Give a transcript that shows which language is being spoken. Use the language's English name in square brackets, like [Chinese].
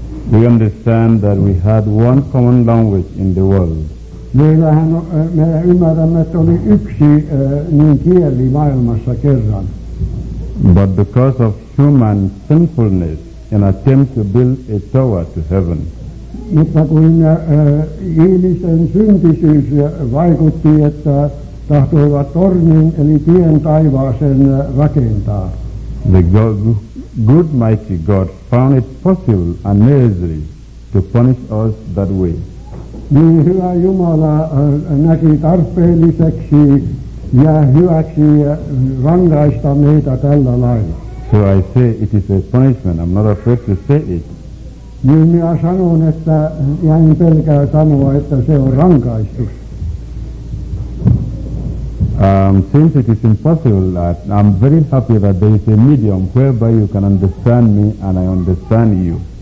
[English] We understand that we had one common language in the world. [Finnish] Meillähän me ymmärrämme, että oli yksi niin kieli maailmassa kerran. [English] But because of human sinfulness, an attempt to build a tower to heaven. [Finnish] Mutta kun ihmisen syntisyys vaikutti, että tahtoivat tornin, eli tien taivaaseen rakentaa. [English] The good mighty God found it possible and necessary to punish us that way. [Finnish] Niin hyvä Jumala näki tarpeelliseksi ja hyväksi rangaista meitä tällä lailla. [English] So I say it is a punishment. I'm not afraid to say it. [Finnish] Niin minä sanon, että jäin pelkää sanoa, että se on rankaistus. [English] Since it is impossible, I'm very happy that there is a medium whereby you can understand me and I understand you.